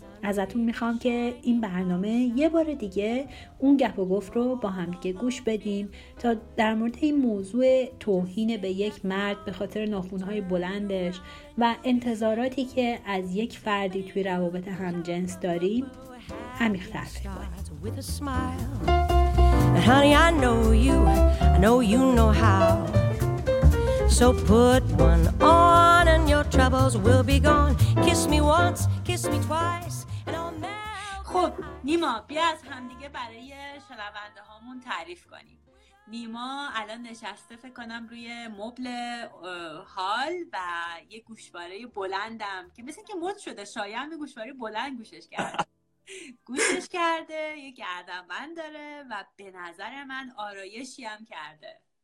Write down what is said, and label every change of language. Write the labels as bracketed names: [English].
[Persian] ازتون میخوام که این برنامه یه بار دیگه اون گپ و گفت رو با هم دیگه گوش بدیم تا در مورد این موضوع توهین به یک مرد به خاطر ناخونهای بلندش و انتظاراتی که از یک فردی توی روابط همجنس داریم عمیق‌تر فکر کنیم. [English] Honey, I know you know how. So put one on and your troubles will be gone. Kiss me once, kiss me twice. [Persian] خب نیما، بیا از همدیگه برای شنونده هامون تعریف کنیم. نیما الان نشسته فکر کنم روی مبل هال و یه گوشواره بلندم که مثل که مد شده، شایم یه گوشواره بلند گوشش کرده یه گردنبند داره و به نظر من آرایشی هم کرده.